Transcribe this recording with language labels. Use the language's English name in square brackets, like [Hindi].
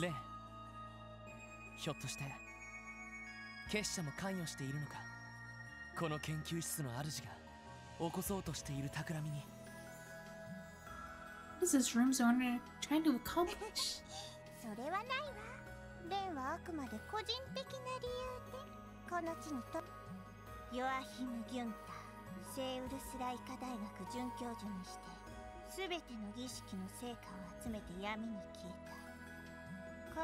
[Japanese] Len, ひょっとして結社も関与しているのか。この研究室の主が起こそうとしている企みに。 [English] What is this room's owner trying to accomplish? [Japanese] それはないわ。レンはあくまで個人的な理由でこの地にと。ヨアヒム・ギュンタ、セウルス雷科大学准教授にして。全ての儀式の成果を集めて闇に消えた。